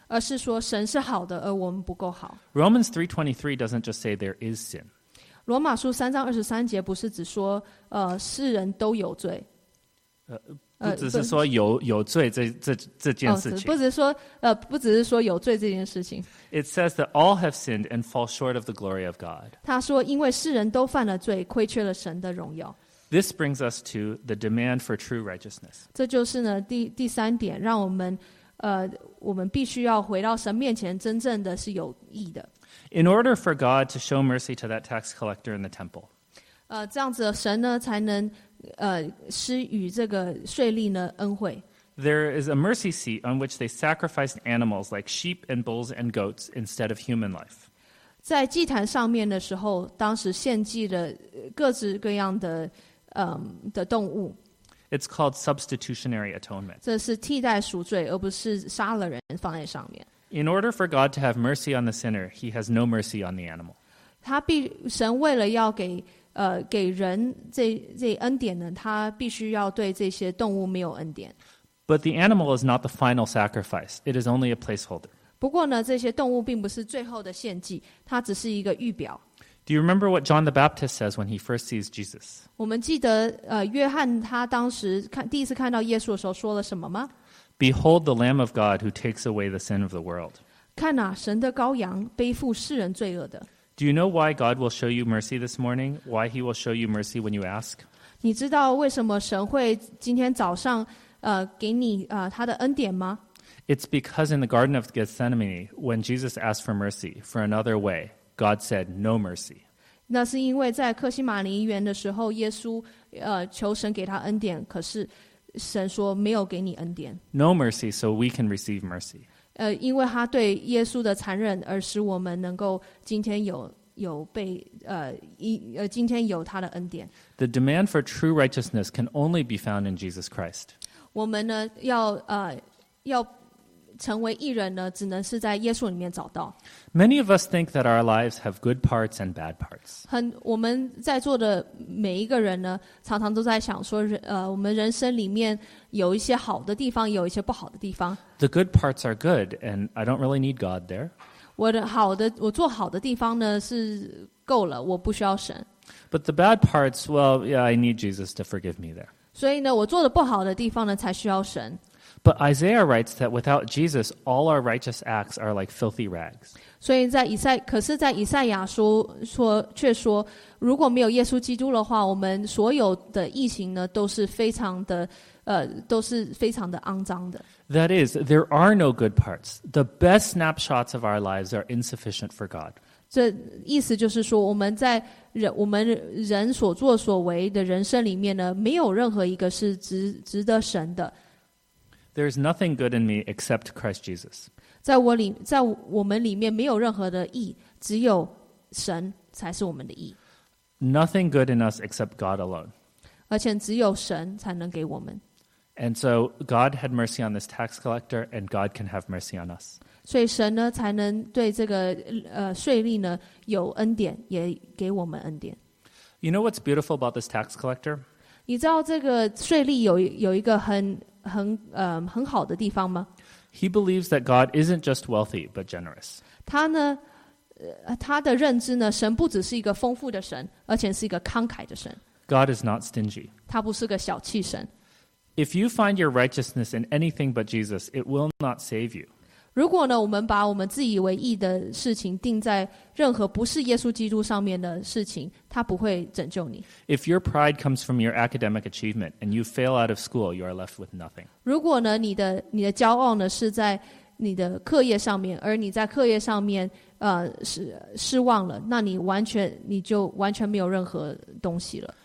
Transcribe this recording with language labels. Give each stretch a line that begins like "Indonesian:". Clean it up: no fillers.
Chinese: 而是说神是好的，而我们不够好。
English: Romans 3:23 doesn't just say there is sin.
Chinese: 罗马书三章二十三节不是只说世人都有罪，不只是说有罪这件事情，不只是说有罪这件事情。
English: It says that all have sinned and fall short of the glory of God.
Chinese: 他说，因为世人都犯了罪，亏缺了神的荣耀。
English: This brings us to the demand for true righteousness.
Chinese: 这就是呢第三点，让我们必须要回到神面前，真正的是有义的。
English: In order for God to show mercy to that tax collector in the temple,
Chinese: 这样子神呢才能施予这个税吏呢恩惠。
English: There is a mercy seat on which they sacrificed animals like sheep and bulls and goats instead of human life.
Chinese: 在祭坛上面的时候，当时献祭的各式各样的动物。
English: It's called substitutionary atonement.
Chinese: 这是替代赎罪，而不是杀了人放在上面。
English: In order for God to have mercy on the sinner, he has no mercy on the animal.
Chinese: 神为了要给人这恩典呢，他必须要对这些动物没有恩典。
English: But the animal is not the final sacrifice. It is only a placeholder.
Chinese: 不过呢，这些动物并不是最后的献祭，它只是一个预表。
English: Do you remember what John the Baptist says when he first sees Jesus?
Chinese: 我们记得约翰他当时第一次看到耶稣的时候说了什么吗？
English: Behold the Lamb of God who takes away the sin of the world.
Chinese: 看啊，神的羔羊，背负世人罪恶的。
English: Do you know why God will show you mercy this morning? Why he will show you mercy when you ask?
Chinese: 你知道为什么神会今天早上给你他的恩典吗？
English: It's because in the Garden of Gethsemane, when Jesus asked for mercy, for another way, God said no mercy.
Chinese: 那是因为在客西马尼园的时候，耶稣求神给他恩典，可是神说没有给你恩典。
English: No mercy, so we can receive mercy.
Chinese: 因为他对耶稣的残忍，而使我们能够今天有被今天有他的恩典。
English: The demand for true righteousness can only be found in Jesus Christ.
Chinese: 我们呢要成为义人呢，只能是在耶稣里面找到。
English: Many of us think that our lives have good parts and bad parts.
Chinese: 我们在座的每一个人呢，常常都在想说，我们人生里面有一些好的地方，有一些不好的地方。
English: The good parts are good, and I don't really need God there.
Chinese: 我做好的地方呢是够了，我不需要神。
English: But the bad parts, well, yeah, I need Jesus to forgive me there.
Chinese: 所以呢，我做的不好的地方呢才需要神。
English: But Isaiah writes that without Jesus, all our righteous acts are like filthy rags.
Chinese: 所以在以赛，可是在以赛亚说却说，如果没有耶稣基督的话，我们所有的义行呢，都是非常的，都是非常的肮脏的。
English: That is, there are no good parts. The best snapshots of our lives are insufficient for God.
Chinese: 这意思就是说，我们人所作所为的人生里面呢，没有任何一个是值得神的。
English: There is nothing good in me except Christ Jesus.
Chinese: 在我们里面没有任何的义，只有神，才是我们的义。
English: Nothing good in us except God alone.
Chinese: 而且只有神才能给我们。
English: And so God had mercy on this tax collector, and God can have mercy on us.
Chinese: 所以神呢才能对这个税吏呢有恩典，也给我们恩典。
English: You know what's beautiful about this tax collector?
Chinese: 你知道这个税吏有一个很好的地方吗？
English: He believes that God isn't just wealthy, but generous.
Chinese: 他的认知呢，神不只是一个丰富的神，而且是一个慷慨的神。
English: God is not stingy.
Chinese: 他不是个小气神。
English: If you find your righteousness in anything but Jesus, it will not save you.
Chinese: 如果呢，我们把我们自以为义的事情定在任何不是耶稣基督上面的事情，他不会拯救你。
English: If your pride comes from your academic achievement and you fail out of school, you are left with nothing.
Chinese: 如果呢，你的骄傲呢是在你的课业上面，而你在课业上面失望了，那你就完全没有任何东西了。